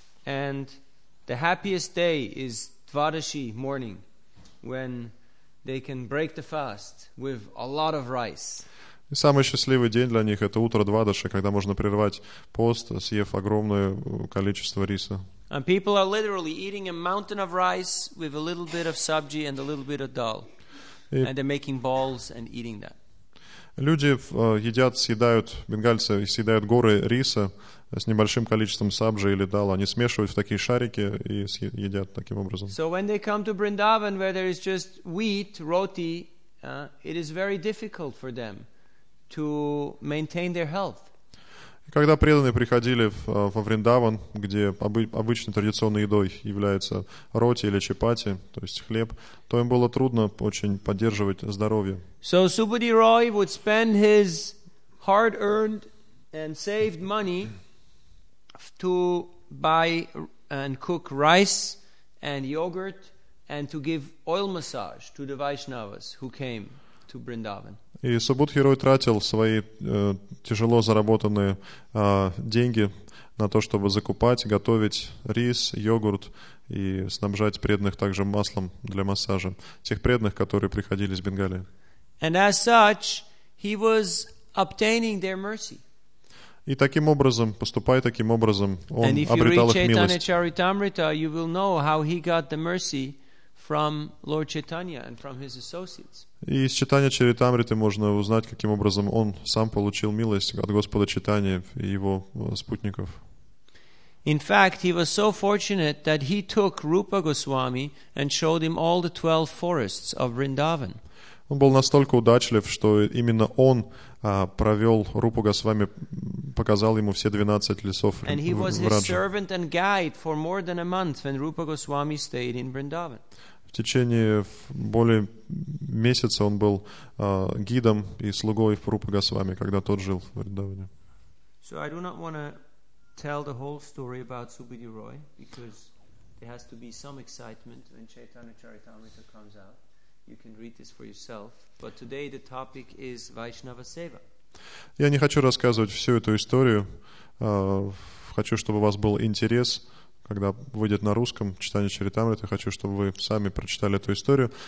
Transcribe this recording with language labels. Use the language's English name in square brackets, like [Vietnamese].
[English] And the happiest day is Dvadashi morning, when they can break the fast with a lot of rice. [Russian] И самый счастливый день для них — это утро Двадаши, когда можно прервать пост, съев огромное количество риса. [English] And people are literally eating a mountain of rice with a little bit of sabji and a little bit of dal. And they're making balls and eating that. [Russian] Люди едят, съедают, бенгальцы съедают горы риса с небольшим количеством сабжи или дала. Они смешивают в такие шарики и едят таким образом. [English] So when they come to Vrindavan, where there is just wheat, roti, it is very difficult for them to maintain their health. [Russian] Когда преданные приходили во Вриндаван, где обычной традиционной едой является роти или чапати, то есть хлеб, то им было трудно очень поддерживать здоровье. [English] So Subhadi Roy would spend his hard-earned and saved money to buy and cook rice and yogurt and to give oil massage to the Vaishnavas who came to Vrindavan. [Russian] И Субудхи Рой тратил свои тяжело заработанные деньги на то, чтобы закупать, готовить рис, йогурт и снабжать преданных также маслом для массажа. Тех преданных, которые приходили из Бенгалии. [English] And as such, he was obtaining their mercy. [Russian] И таким образом, поступая таким образом, он обретал их милость. [English] And if you read Chaitanya Charitamrita, you will know how he got the mercy from Lord Chaitanya and from his associates. [Russian] И из Читания Чаритамриты можно узнать, каким образом он сам получил милость от Господа Читания и его спутников. [English] In fact, he was so fortunate that he took Rupa Goswami and showed him all the 12 forests of Vrindavan. [Russian] Он был настолько удачлив, что именно он провел Рупа Госвами, показал ему все 12 лесов Раджа. [English] And he was his servant and guide for more than a month when Rupa Goswami stayed in Vrindavan. [Russian] В течение более месяца он был гидом и слугой в Рупа Госвами, когда тот жил в Вриндаване. [English] So I do not want to tell the whole story about Subhadi Roy, because there has to be some excitement when Chaitanya Charitamrita comes out. You can read this for yourself. But today the topic is Vaishnava Seva. [Russian] Я не хочу рассказывать всю эту историю. Хочу, чтобы у вас был интерес, когда выйдет на русском читание Чаритамриты. Хочу, чтобы вы сами прочитали эту историю.